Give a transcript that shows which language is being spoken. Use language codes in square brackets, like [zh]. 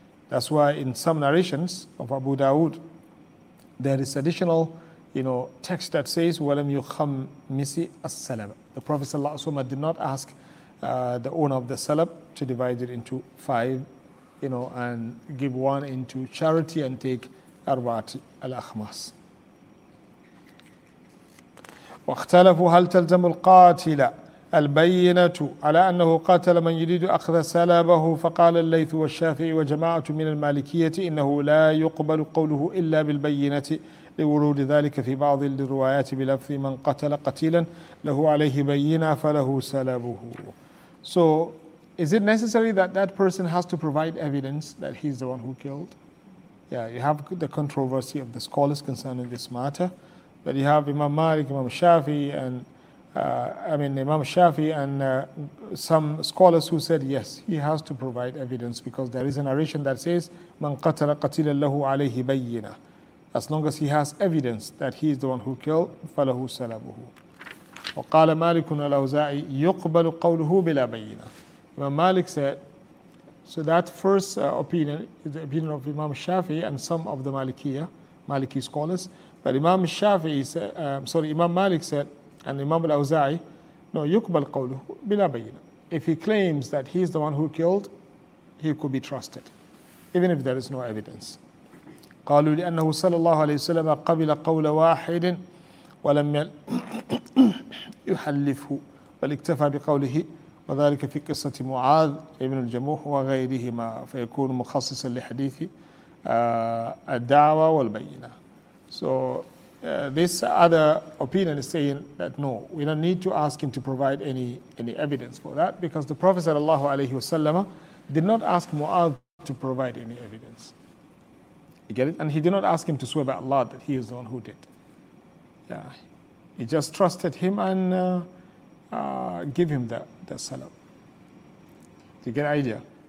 [en] That's why in some narrations of Abu Dawood, there is additional, you know, text that says, [ar] وَلَمْ يُخَمْ مِسِي السَّلَبَ. [en] The Prophet صلى الله عليه وسلم did not ask the owner of the salab to divide it into five, you know, and give one into charity and take [ar] أَرْبَعَةِ الْأَخْمَاسِ. وَاخْتَلَفُوا هَلْ تَلْزَمُ الْقَاتِلَ البينة على أنه قاتل من يريد أخذ سلبه فقال الليث والشافعي وجماعة من المالكية إنه لا يقبل قوله إلا بالبينة لورود ذلك في بعض الروايات بلفظ من قتل قتيلا له عليه بينة فله سلبه. [en] So is it necessary that that person has to provide evidence that he's the one who killed? Yeah, you have the controversy of the scholars concerning this matter, but you have Imam Malik, Imam Shafi'i and Imam Shafi'i and some scholars who said yes, he has to provide evidence because there is a narration that says [ar] "Man qatala qatila lahu alayhi bayyina." [en] As long as he has evidence that he is the one who killed, [ar] falahu salabuhu. وقال مالك الأوزاعي يقبل قوله بلا بينة. [en] Imam Malik said, so that first opinion is the opinion of Imam Shafi'i and some of the Maliki scholars, but Imam Shafi'i said, Imam Malik said, and Imam al-Awza'i, no, [ar] yukbal qawluhu bila bayyina. [en] If he claims that he's the one who killed, he could be trusted, even if there is no evidence. [ar] قالوا لأنه صلى الله عليه وسلم قبل قول واحد ولم يحلفه بل اكتفى بقوله وذلك في قصة معاذ ابن الجموح وغيرهما فيكون مخصصا لحديث الدعوة والبينة. [en] So this other opinion is saying that no, we don't need to ask him to provide any evidence for that because the Prophet sallallahu alayhi wasallam did not ask Mu'adh to provide any evidence. You get it? And he did not ask him to swear by Allah that he is the one who did. Yeah, he just trusted him and give him the salam. Do you get an idea?